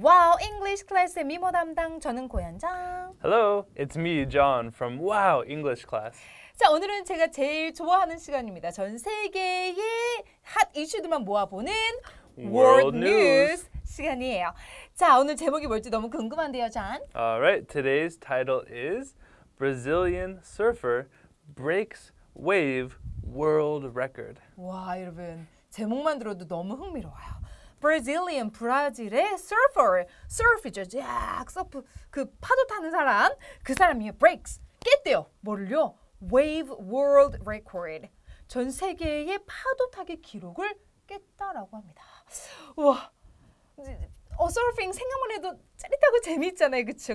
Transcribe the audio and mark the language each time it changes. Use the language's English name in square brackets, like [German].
[Korean] Wow English Class의 미모 담당 저는 고현정. [English] Hello, it's me, John from Wow English Class. [Korean] 자, 오늘은 제가 제일 좋아하는 시간입니다. 전 세계의 핫 이슈들만 모아보는 [English] World News [Korean] 시간이에요. 자, 오늘 제목이 뭘지 너무 궁금한데요, John. [English] All right, today's title is Brazilian Surfer Breaks Wave World Record. [Korean] 와, 여러분, 제목만 들어도 너무 흥미로워요. Brazilian, 브라질의 surfer, surf이죠. 쫙 서프, 그 파도 타는 사람, 그 사람이 breaks, 깼대요. 뭐를요? [English] Wave World Record. [Korean] 전 세계의 파도 타기 기록을 깼다라고 합니다. 우와, 서핑 생각만 해도 짜릿하고 재미있잖아요, 그렇죠?